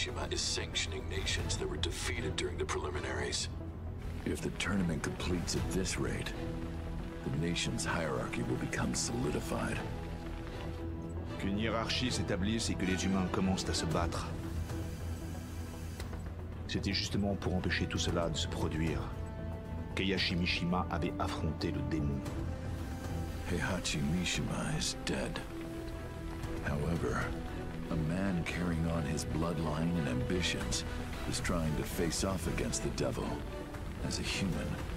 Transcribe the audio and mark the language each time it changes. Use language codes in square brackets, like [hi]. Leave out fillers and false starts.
[en] Is sanctioning nations that were defeated during the preliminaries. If the tournament completes at this rate, the nation's hierarchy will become solidified. [fr] Qu'une hiérarchie s'établisse et que les humains commencent à se battre. C'était justement pour empêcher tout cela de se produire qu'Heihachi Mishima avait affronté le démon. [en] Heihachi Mishima is dead. However, a man carrying on his bloodline and ambitions is trying to face off against the devil as a human.